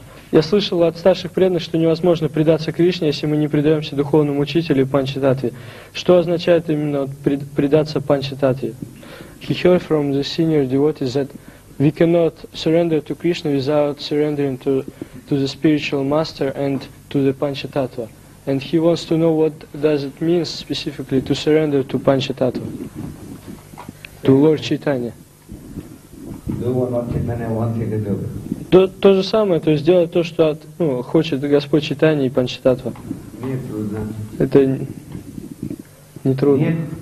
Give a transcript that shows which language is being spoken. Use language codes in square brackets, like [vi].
[ru] Я слышал от старших преданных, что невозможно предаться Кришне, если мы не предаемся духовному учителю Панчататве. Что означает именно предаться Панчататве? [en] He heard from the senior devotees that we cannot surrender to Krishna without surrendering to the spiritual master and to the Panchatattva. And he wants to know what does it mean specifically to surrender to Panchatattva, to Lord Chaitanya. Do what Lord Chaitanya wants you to do. [ru] То же самое, то есть делать то, что от, ну, хочет Господь Чайтанья и Панчататва. Это не трудно.